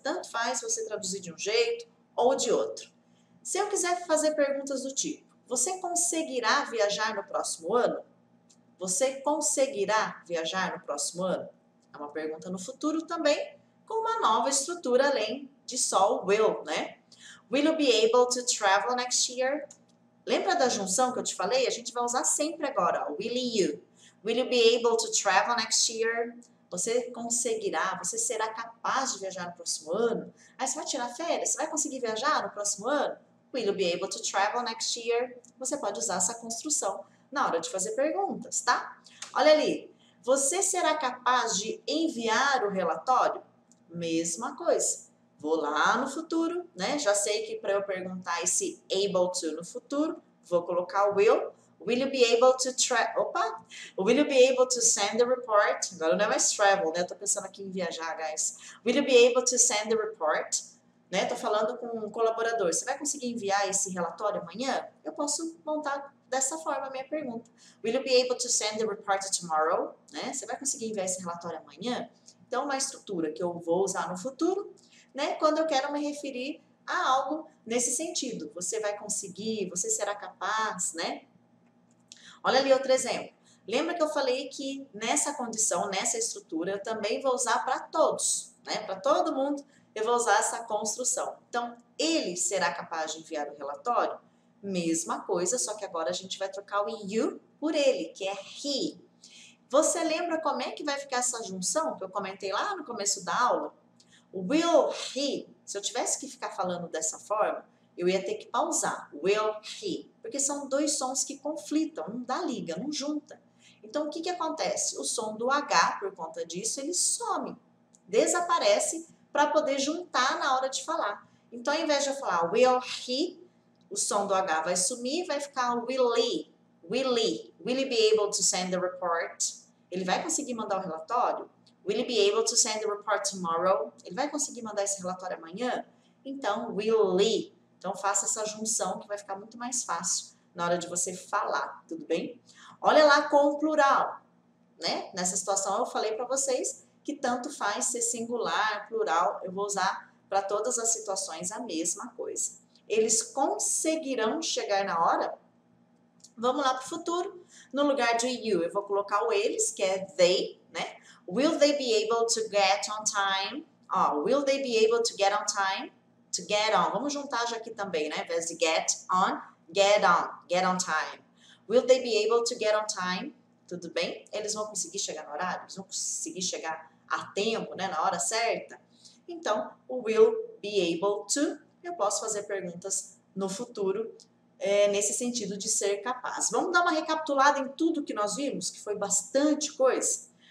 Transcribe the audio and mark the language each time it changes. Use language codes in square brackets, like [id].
[pt] Tanto faz você traduzir de um jeito ou de outro. Se eu quiser fazer perguntas do tipo, você conseguirá viajar no próximo ano? Você conseguirá viajar no próximo ano? É uma pergunta no futuro também, com uma nova estrutura além de só o will, né? [en] Will you be able to travel next year? [pt] Lembra da junção que eu te falei? [en] A gente vai usar sempre agora, ó, will you. Will you be able to travel next year? [pt] Você conseguirá, você será capaz de viajar no próximo ano? Aí você vai tirar férias, você vai conseguir viajar no próximo ano? [en] Will you be able to travel next year? [pt] Você pode usar essa construção na hora de fazer perguntas, tá? Olha ali, você será capaz de enviar o relatório? Mesma coisa, vou lá no futuro, né? Já sei que para eu perguntar esse able to no futuro, vou colocar o will, [en] Will you be able to travel? Opa! Will you be able to send the report? [pt] Agora não é mais travel, né? Eu tô pensando aqui em viajar, guys. [en] Will you be able to send the report? [pt] Né? Tô falando com um colaborador. Você vai conseguir enviar esse relatório amanhã? Eu posso montar dessa forma a minha pergunta. [en] Will you be able to send the report tomorrow? [pt] Né? Você vai conseguir enviar esse relatório amanhã? Então, uma estrutura que eu vou usar no futuro, né? Quando eu quero me referir a algo nesse sentido. Você vai conseguir, você será capaz, né? Olha ali outro exemplo. Lembra que eu falei que nessa condição, nessa estrutura, eu também vou usar para todos, né? Para todo mundo, eu vou usar essa construção. Então, ele será capaz de enviar o relatório? Mesma coisa, só que agora a gente vai trocar o you por ele, que é he. Você lembra como é que vai ficar essa junção que eu comentei lá no começo da aula? Will he, se eu tivesse que ficar falando dessa forma, eu ia ter que pausar. Will he, porque são dois sons que conflitam, não dá liga, não junta. Então, o que que acontece? O som do H, por conta disso, ele some, desaparece para poder juntar na hora de falar. Então, ao invés de eu falar will he, o som do H vai sumir e vai ficar will he. [en] Will he be able to send the report? [pt] Ele vai conseguir mandar o relatório? [en] Will he be able to send the report tomorrow? [pt] Ele vai conseguir mandar esse relatório amanhã? Então, will he. Então, faça essa junção que vai ficar muito mais fácil na hora de você falar, tudo bem? Olha lá com o plural, né? Nessa situação, eu falei para vocês que tanto faz ser singular, plural. Eu vou usar para todas as situações a mesma coisa. Eles conseguirão chegar na hora? Vamos lá para o futuro. No lugar de you, eu vou colocar o eles, que é they, né? [en] Will they be able to get on time? Ó, will they be able to get on time? To get on. [pt] Vamos juntar já aqui também, né? Ao invés de get on, get on. [en] Get on time. Will they be able to get on time? [pt] Tudo bem? Eles vão conseguir chegar no horário? Eles vão conseguir chegar a tempo, né? Na hora certa? Então, o will be able to, eu posso fazer perguntas no futuro, é, nesse sentido de ser capaz. Vamos dar uma recapitulada em tudo que nós vimos, que foi bastante coisa.